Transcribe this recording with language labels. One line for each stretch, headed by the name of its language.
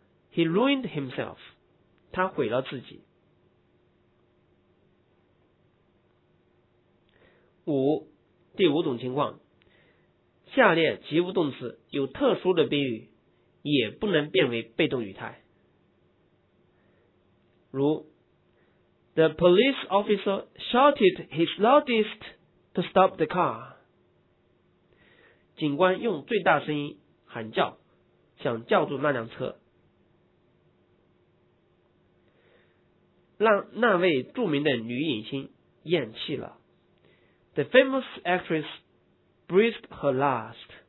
English: He ruined himself.
Chinese: 他毁了自己。五，第五种情况，下列及物动词有特殊的宾语，也不能变为被动语态。
English: 如 The police officer shouted his loudest to stop the car.
Chinese: 警官用最大声音喊叫，想叫住那辆车。让那位著名的女影星咽气了。
English: The famous actress breathed her last.